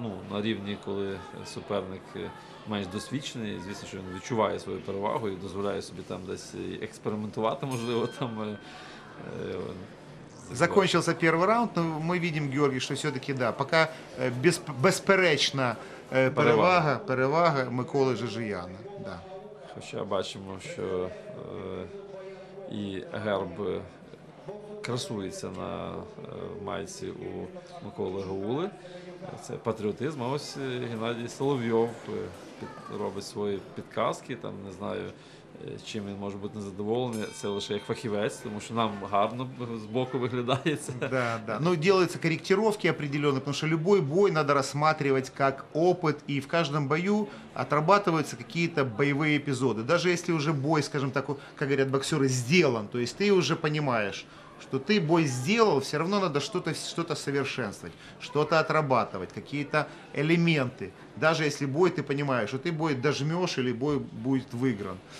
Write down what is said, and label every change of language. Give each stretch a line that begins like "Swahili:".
Ukrainian: На рівні, коли суперник менш досвідчений, звісно, що він відчуває свою перевагу і дозволяє собі там десь експериментувати, можливо, там.
Russian: Закончился первый раунд, но мы видим, Георгий, что все-таки да, пока безперечна перевага Миколи Жаж'яна. Да.
Ukrainian: Хоча бачимо, що і герб красується на майці у Миколи Гаули. Це патріотизм. А ось Геннадій Соловйов робить свої підказки, там не знаю. Чим він може бути незадоволений, це лише як фахівець, тому що нам гарно з боку виглядається. Да, да. Ну, діляться коректировки определені, тому що любой бой треба розглядати як опит, і в кожному бою отрабатываются какие-то бойовые епізоди.
Russian: Навіть якщо вже бой, скажімо так, як говорять боксери, зроблен, то есть ти вже розумієш, что ты бой сделал, все равно надо что-то совершенствовать, что-то отрабатывать, какие-то элементы. Даже если бой, ты понимаешь, что ты бой дожмешь или бой будет выигран.